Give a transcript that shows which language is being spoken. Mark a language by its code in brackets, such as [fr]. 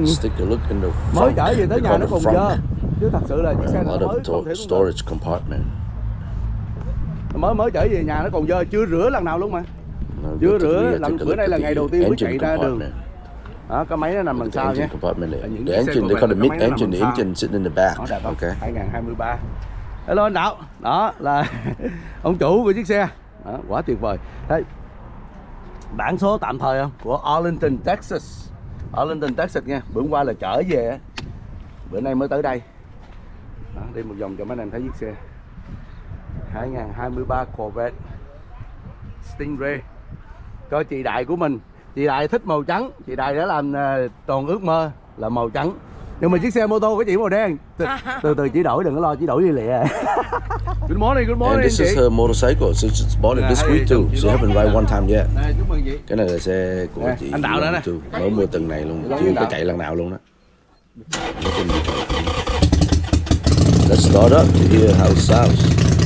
[vi] Mới trở về tới nhà nó còn dơ. Chứ thật sự là chiếc xe này mới [en] storage compartment. [vi] Mới trở về nhà nó còn dơ, chưa rửa lần nào luôn mà. Chưa rửa lần, bữa nay là ngày đầu tiên mới chạy ra đường. Đó, cái máy nó nằm bằng sao nha. [en] The engine, they call it mid-engine, the engine sitting in the back. [vi] Đó, okay. 2023. Hello anh Đạo. Đó là ông chủ của chiếc xe. Đó, quá tuyệt vời. Đây. Bản số tạm thời không? Của Arlington, Texas. Arlington, Texas nha. Bữa qua là chở về. Bữa nay mới tới đây. Đó, đi một vòng cho mấy anh thấy chiếc xe. 2023 Corvette Stingray. Cho chị đại của mình. Chị Đại thích màu trắng, chị Đại đã làm toàn ước mơ là màu trắng. Nhưng mà chiếc xe mô tô của chị màu đen. Từ chị đổi, đừng có lo, chị đổi đi lẹ. [en] Good morning, good morning. And this [vi] chị. [en] Is her motorcycle, so she bought it this week too. She haven't ride one time yet. [vi] Cái này là xe của chị. Anh Đạo đó nè. Mới mua từng này luôn, chưa có chạy lần nào luôn đó. [en] Let's start up to hear how it sounds.